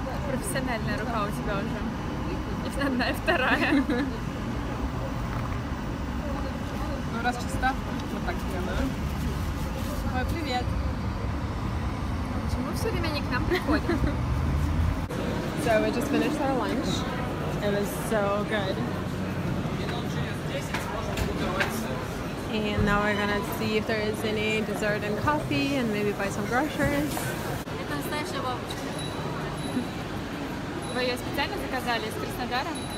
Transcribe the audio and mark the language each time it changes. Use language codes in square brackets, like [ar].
[ru] Профессиональная рука у тебя уже. И одна, и вторая. Раз чиста, вот так тебе, да? Ой, привет! Почему все время они к нам приходят? [en] So we just finished our lunch. It was so good. And now we're gonna see if there is any dessert and coffee and maybe buy some groceries. [ru] Это настоящая бабочка. Вы ее специально заказали из Краснодара?